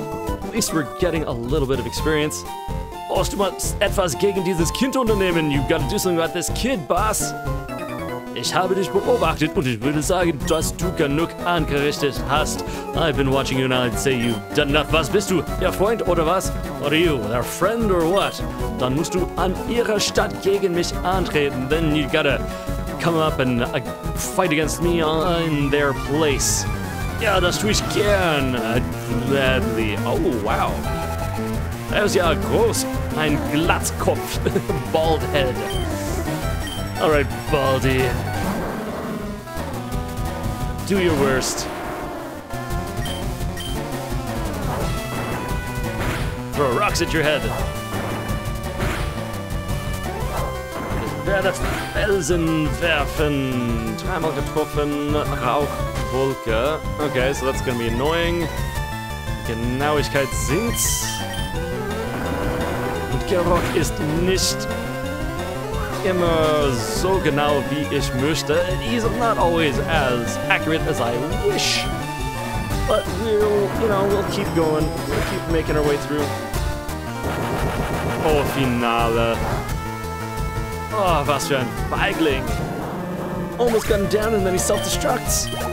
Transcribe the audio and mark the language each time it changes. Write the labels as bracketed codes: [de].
[en] At least we're getting a little bit of experience. [de] Oh, du musst etwas gegen dieses Kind unternehmen. [en] You've got to do something about this kid, boss. [de] Ich habe dich beobachtet und ich würde sagen, dass du genug angerichtet hast. [en] I've been watching you and I'd say you've done enough. [de] Was bist du? Ihr Freund oder was? [en] Or are you their friend or what? [de] Dann musst du an ihrer Stadt gegen mich antreten. [en] Then you've got to come up and fight against me in their place. [de] Ja, das tue ich gern. [en] Gladly. Oh, wow. [de] Er ist ja groß. Ein Glatzkopf. [en] Baldhead. Alright, Baldi. Do your worst. Throw rocks at your head. [de] Werde Felsen werfen. Dreimal getroffen. Rauch. Wolke. [en] Okay, so that's gonna be annoying. [de] Genauigkeit sinkt. Und Gerock ist nicht immer so genau, wie ich möchte. [en] He's not always as accurate as I wish. But we'll keep going. We'll keep making our way through. [de] Oh, Finale. Oh, was für ein Feigling. [en] Almost gotten down and then he self-destructs.